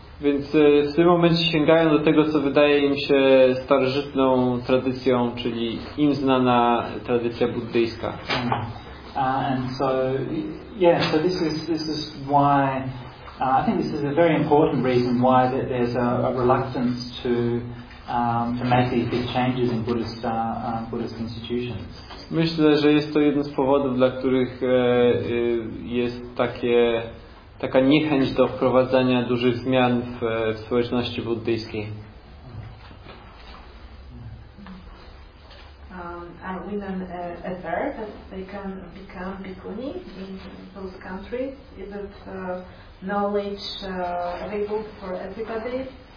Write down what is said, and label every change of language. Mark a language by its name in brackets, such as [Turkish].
[Polish] Więc w tym momencie sięgają do tego, co wydaje im się starożytną tradycją, czyli im znana tradycja buddyjska. [English] And so this is why I think this is a very important reason why that there's a reluctance to make these big changes in Buddhist institutions. [Polish] Myślę, że jest to jeden z powodów, dla których jest taka niechęć do wprowadzania dużych zmian w społeczności buddyjskiej. [English] Women aware that they can become bhikkhuni in those countries? Is it knowledge available for everybody?